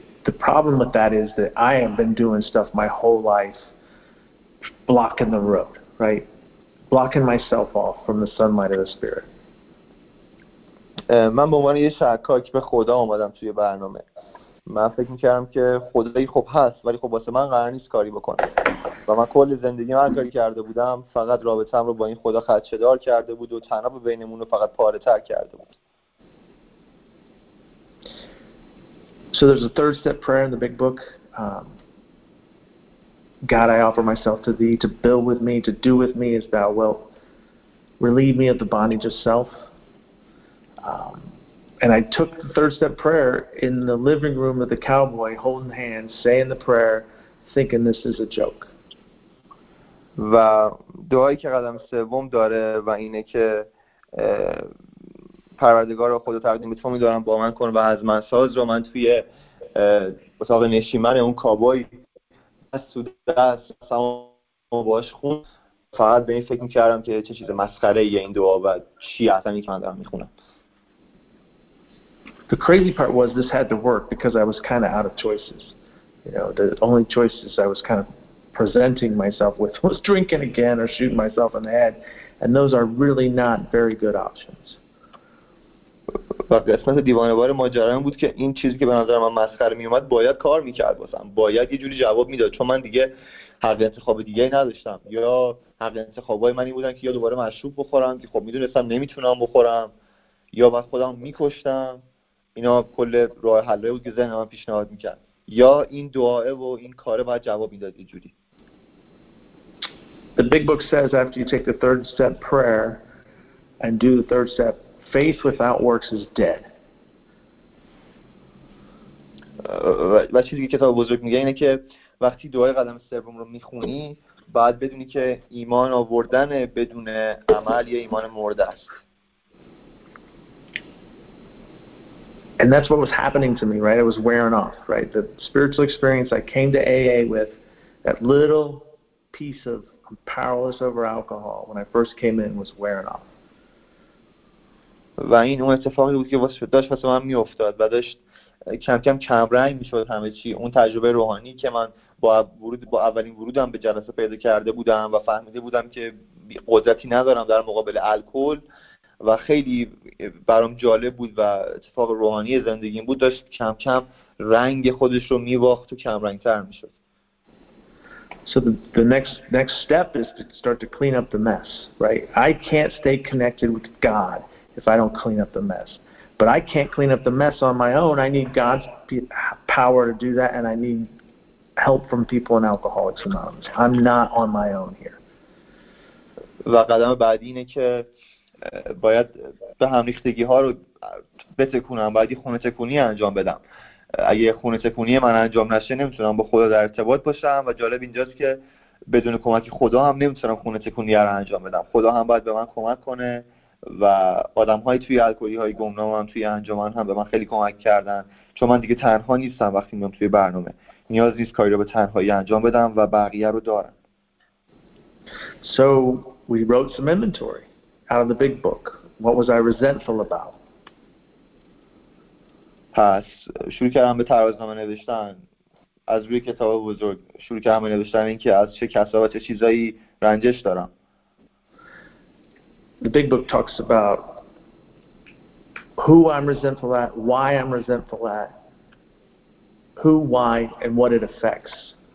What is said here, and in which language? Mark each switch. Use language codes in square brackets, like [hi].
[en] The problem with that is that I have been doing stuff my whole life, blocking the road, right? Blocking myself off from the sunlight of the spirit. [fa] من به عنوان یه شکاک به خدا اومدم توی برنامه. من فکر می‌کردم که خدایی خوب هست ولی خب واسه من قرار نیست کاری بکنه. و من کل زندگی من کاری کرده بودم فقط رابطه‌ام رو با این خدا خدشه‌دار کرده بود و تنها به بینمون رو فقط پاره‌تر کرده بود. [en] So there's a third step prayer in the big book. God, I offer myself to thee, to build with me, to do with me as thou wilt. Relieve me of the bondage of self. And I took the third step prayer in the living room of the cowboy, holding hands, saying the prayer, thinking this is a joke. [fa] و دعایی که قدم سوم داره و اینه که پروردگار رو خود تقدیم به تو میدارم با من کن و از من ساز رو من توی اتاق نشیمن اون کابوی دست تو دست سمو باش خون فقط به این فکر میکردم که چه چیز مسخره یه این دعا و چی اصلا این که من دارم میخونم. [en] The crazy part was this had to work because I was kind of out of choices. You know, the only choices I was kind of presenting myself with was drinking again or shooting myself in the head, and those are really not very good options. [fa] و قسمت دیوانوار ماجرا این بود که این چیزی که به نظر من مسخره می اومد باید کار میکرد واسم، باید یه جوری جواب میداد چون من دیگه حق انتخاب دیگه نداشتم، یا حق انتخابای منی بودن که یا دوباره مشروب بخورم که خب میدونستم نمیتونم بخورم، یا بعد خودم میکشتم. اینا کل راه حلایی بود که ذهن من پیشنهاد میکرد، یا این دعاه و این کاره باید جواب میداد یه جوری. [en] The big book says after you take the third step prayer and do the third step, faith without works is dead. [fa] و چیزی که کتاب بزرگ میگه اینه که وقتی دعای قدم سوم رو میخونی باید بدونی که ایمان آوردن بدون عمل یه ایمان مرده است. [en] And that's what was happening to me, right? It was wearing off, right? The spiritual experience I came to AA with, that little piece of powerless over alcohol when I first came in was wearing off. [fa] و این اون اتفاقی بود که واسه داشت واسه من میافتاد و داشت کم کم کمرنگ میشد همه چی. اون تجربه روحانی که من با اولین ورودم به جلسه پیدا کرده بودم و فهمیده بودم که قدرتی ندارم در مقابل الکل و خیلی برام جالب بود و اتفاق روحانی زندگیم بود، داشت کم کم رنگ خودش رو میباخت و کمرنگ تر میشد. [en] So the next step is to start to clean up the mess, right? I can't stay connected with God if I don't clean up the mess. But I can't clean up the mess on my own. I need God's power to do that, and I need help from people in Alcoholics Anonymous. I'm not on my own here. [fa] و قدم بعدی اینه که باید به هم ریختگی ها رو بتکونم، باید خونه تکونی انجام بدم. اگه خونه تکونی من انجام نشه نمیتونم با خدا در ارتباط باشم و جالب اینجاست که بدون کمک خدا هم نمیتونم خونه تکونی رو انجام بدم. خدا هم باید به من کمک کنه و آدم‌های توی الکلی‌های گمنام هم توی انجمن هم به من خیلی کمک کردن، چون من دیگه تنها نیستم. وقتی میام توی برنامه نیاز نیست کاری رو به تنهایی انجام بدم و بقیه رو دارم. [en] So we wrote some inventory out of the big book. What was I resentful about? [fa] پس شروع کردم به ترازنامه نوشتن از روی کتاب بزرگ. شروع کردم به نوشتن اینکه از چه کسا و چه چیزایی رنجش دارم. [en] The big book talks about who I'm resentful at, why I'm resentful at, who, why, and what it affects.